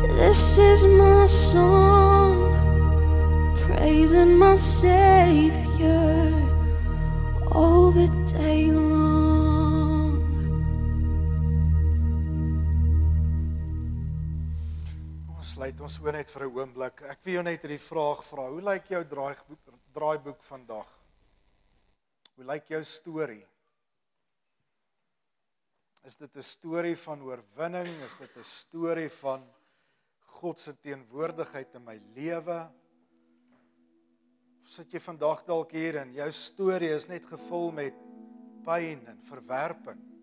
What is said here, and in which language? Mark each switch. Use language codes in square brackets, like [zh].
[en] This is my song, praising my Savior all the day long. [af] Ons sluit ons oor net vir 'n oomblik. Ek wil jou net hierdie vraag vra. Hoe lyk jou draaiboek vandag? Hoe lyk jou story? Is dit 'n story van oorwinning? Is dit 'n story van God se teenwoordigheid in my lewe? Of sit jy vandag dalk hier en jou story is net gevul met pyn en verwerping?